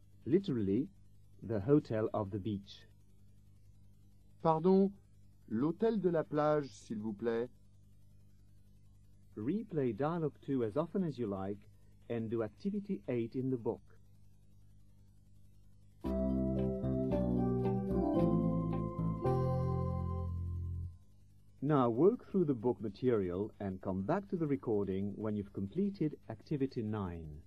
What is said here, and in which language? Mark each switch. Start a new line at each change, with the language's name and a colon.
English: Literally, the hotel of the beach.
French: Pardon, l'hôtel de la plage, s'il vous plaît.
English: Replay dialogue 2 as often as you like and do activity 8 in the book. Now work through the book material and come back to the recording when you've completed activity 9.